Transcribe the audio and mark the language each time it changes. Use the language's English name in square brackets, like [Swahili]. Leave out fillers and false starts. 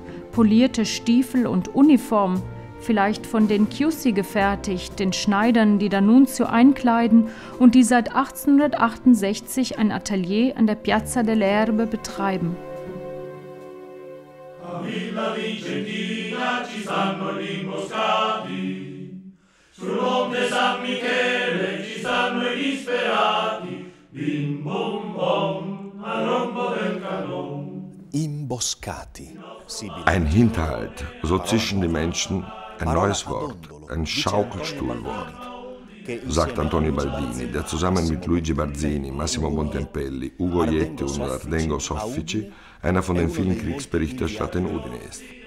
[German] Polierte Stiefel und Uniform, vielleicht von den Chiusi gefertigt, den Schneidern, die D'Annunzio einkleiden und die seit 1868 ein Atelier an der Piazza delle Erbe betreiben. [Italian] Villa Vicentina ci stanno gli imboscati, sul monte San Michele ci stanno i disperati, bim bom bom al rombo del cannone. [German] Imboscati. Ein Hinterhalt, so zischen die Menschen, ein neues Wort, ein Schaukelstuhl worden, sagt Antonio Baldini, der zusammen mit Luigi Barzini, Massimo Montempelli, Ugo Jetti und Ardengo Soffici einer von den vielen Kriegsberichterstattern Udine ist.